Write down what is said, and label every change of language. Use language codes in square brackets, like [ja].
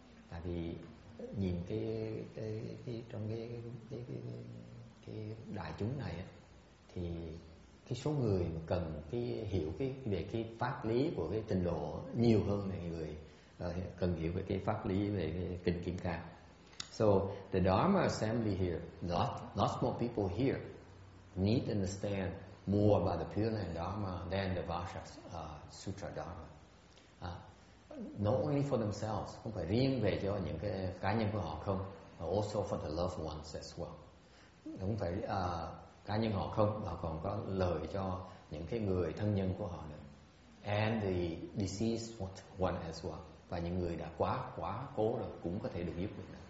[vi] Tại vì nhìn cái đại chúng này thì cái số người mà cần cái hiểu cái về cái pháp lý của cái trình độ nhiều hơn là người cần hiểu về cái pháp lý về cái kinh Kim Cang. [en] So the Dharma assembly here, lots more people here need to understand more about the Pure Land Dharma than the Vajra Sutra Dharma. Not only for themselves, [vi] không phải riêng về cho những cái cá nhân của họ không, [en] but also for the loved ones as well. [vi] Không phải cá nhân họ không, mà còn có lời cho những cái người thân nhân của họ nữa. [en] And the deceased one as well. [vi] Và những người đã quá cố rồi cũng có thể được giúp mình.